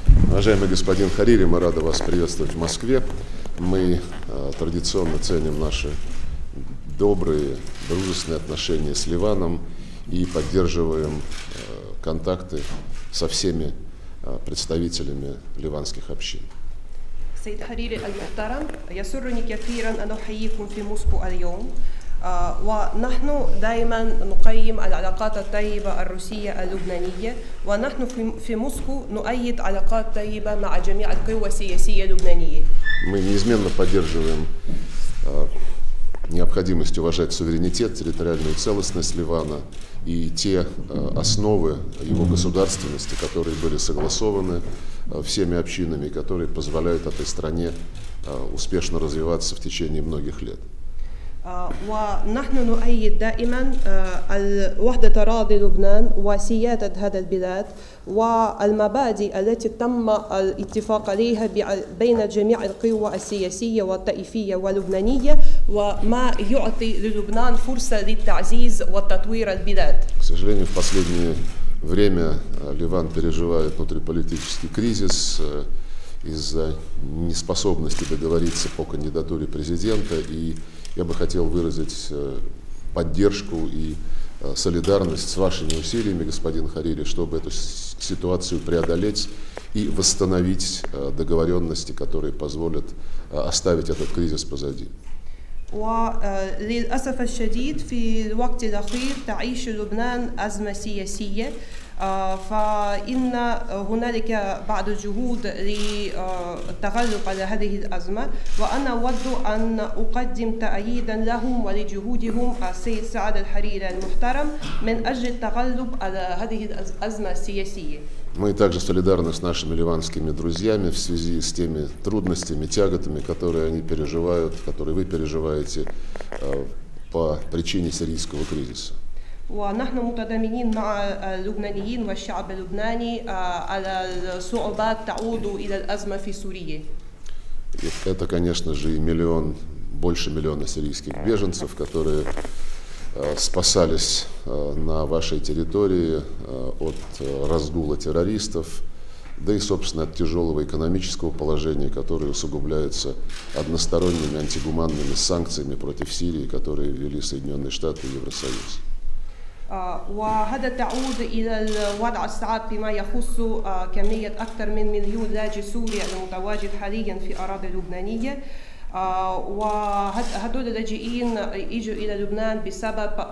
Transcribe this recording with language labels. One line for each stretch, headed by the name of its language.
Russian: Уважаемый господин Харири, мы рады вас приветствовать в Москве. Мы традиционно ценим наши добрые, дружественные отношения с Ливаном и поддерживаем контакты со всеми представителями ливанских общин.
Arabic: سيد حريري المحترم يسرني كثيرا أن أحييكم في موسكو اليوم ونحن دائما نقيم العلاقات الطيبة الروسية اللبنانية ونحن في موسكو نؤيد علاقات طيبة مع جميع القوى السياسية اللبنانية.
Russian: Мы неизменно поддерживаем необходимость уважать суверенитет, территориальную целостность Ливана и те основы его государственности, которые были согласованы всеми общинами, которые позволяют этой стране успешно развиваться в течение многих лет.
Arabic: ونحن نؤيد دائما وحدة أراضي لبنان وسيادة هذا البلاد والمبادئ التي تم الاتفاق عليها بين جميع القوى السياسية والطائفية واللبنانية وما يعطي للبنان فرصة للتعزيز وتطوير البلاد.
Russian: К сожалению, в последнее время Ливан переживает внутриполитический кризис из-за неспособности договориться по кандидатуре президента и я бы хотел выразить поддержку и солидарность с вашими усилиями, господин Харири, чтобы эту ситуацию преодолеть и восстановить договоренности, которые позволят оставить этот кризис позади.
Arabic: وللأسف الشديد في الوقت الأخير تعيش لبنان أزمة سياسية فإن هنالك بعض الجهود للتغلب على هذه الأزمة وأنا أود أن أقدم تأييدا لهم ولجهودهم السيد سعد الحريري المحترم من أجل التغلب على هذه الأزمة السياسية.
Russian: Мы также солидарны с нашими ливанскими друзьями в связи с теми трудностями, тяготами, которые они переживают, которые вы переживаете по причине сирийского кризиса.
Arabic: ونحن متضامنين مع اللبنانيين والشعب اللبناني على الصعوبات تعود إلى الأزمة في سوريا.
Russian: Это, конечно же, и миллион, больше миллиона сирийских беженцев, которые спасались на вашей территории от разгула террористов, да и, собственно, от тяжелого экономического положения, которое усугубляется односторонними антигуманными санкциями против Сирии, которые ввели Соединенные Штаты и Евросоюз.
Arabic: وهذا تعود إلى الوضع الصعب فيما يخص كمية أكثر من مليون لاجئ سوري المتواجد حاليا في أراضي لبنانية وهدول اللاجئين يجوا إلى لبنان بسبب